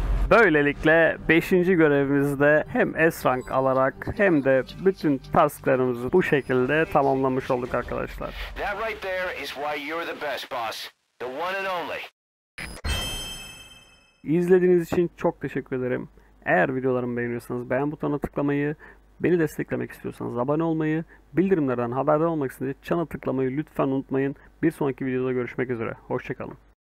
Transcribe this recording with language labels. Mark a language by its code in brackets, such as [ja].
[tr] Böylelikle 5. görevimizde hem S-Rank alarak hem de bütün tasklarımızı bu şekilde tamamlamış olduk arkadaşlar. [en] That right there is why you're the best boss. The one and only. [tr] İzlediğiniz için çok teşekkür ederim. Eğer videolarımı beğeniyorsanız beğen butonuna tıklamayı, beni desteklemek istiyorsanız abone olmayı, bildirimlerden haberdar olmak için de çana tıklamayı lütfen unutmayın. Bir sonraki videoda görüşmek üzere. Hoşçakalın.